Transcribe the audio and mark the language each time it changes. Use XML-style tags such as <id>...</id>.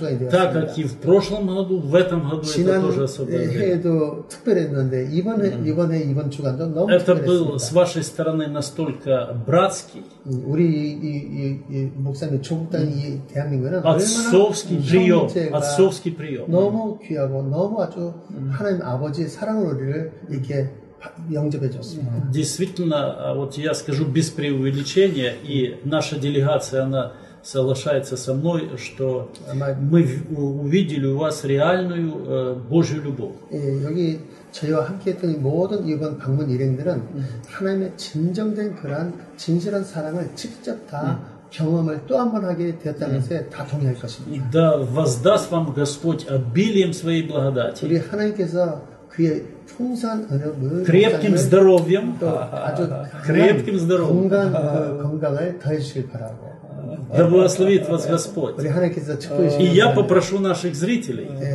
<ru>Так как и в прошлом году, в этом году это тоже особая неделя. Это был с вашей стороны настолько братский, отцовский прием.</ru> <ko>너무 귀하고 너무 아주 하나님 아버지의 사랑으로 우리를 이렇게 영접해 줬습니다.</ko> <ru>Действительно, вот я скажу без преувеличения, и наша делегация она соглашается со мной, что мы увидели у вас реальную Божью любовь.</ru> <ko>여기 저희와 함께했던 모든 이번 방문 일행들은 하나님의 진정된 그런 진실한 사랑을 직접 다 경험을 또 한 번 하게 되었다는 것에 다 동의할 것입니다.</ko> <ru>Да воздаст вам Господь обилием своей благодати.</ru> <ko>우리 하나님께서 그의 풍성한 은혜를</ko> <ru>крепким здоровьем,</ru> <ko>아주</ko> <ru>крепким здоровьем,</ru> <ko>건강을 더해주시길 바라고.</ko> <ru>Да благословит вас Господь. И я попрошу наших зрителей,</ru>